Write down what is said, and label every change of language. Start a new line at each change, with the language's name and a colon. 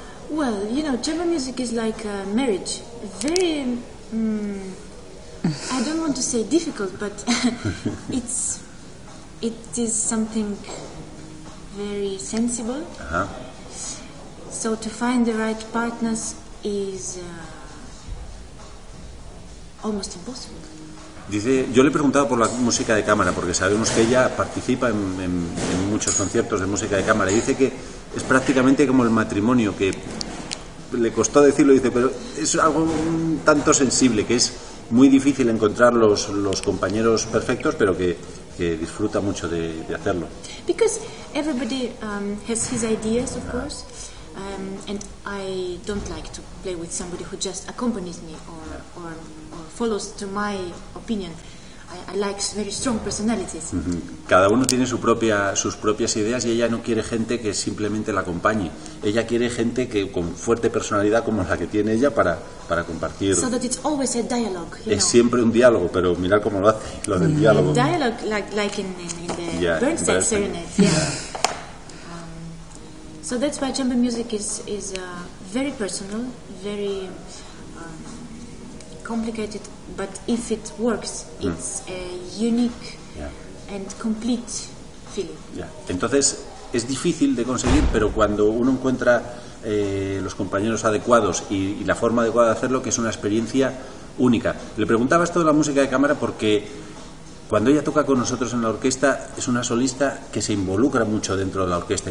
English: Well, you know, chamber music is like a marriage. Very, I don't want to say difficult, but it is something very sensible. Uh-huh. So to find the right partners is almost impossible.
Spanish: Dice, yo le he preguntado por la música de cámara, porque sabemos que ella participa en muchos conciertos de música de cámara, y dice que es prácticamente como el matrimonio, que le costó decirlo, dice, pero es algo un tanto sensible, que es muy difícil encontrar los compañeros perfectos, pero que disfruta mucho de hacerlo.
English: Because everybody has his ideas, of course, and I don't like to play with somebody who just accompanies me or follows to my opinion. I like very strong personalities.
Spanish: Cada uno tiene sus propias ideas, y ella no quiere gente que simplemente la acompañe. Ella quiere gente que con fuerte personalidad como la que tiene ella para compartir.
English: So that it's always a dialogue, you
Spanish: es Siempre un diálogo, pero mirar cómo lo hace, lo del diálogo.
English: A dialogue like in the Bernstein serenade. So that's why chamber music is very personal, very complicated, but if it works, it's a unique and complete feeling. Yeah.
Spanish: Entonces, es difícil de conseguir, pero cuando uno encuentra los compañeros adecuados y la forma adecuada de hacerlo, que es una experiencia única. Le preguntaba esto de la música de cámara porque cuando ella toca con nosotros en la orquesta, es una solista que se involucra mucho dentro de la orquesta.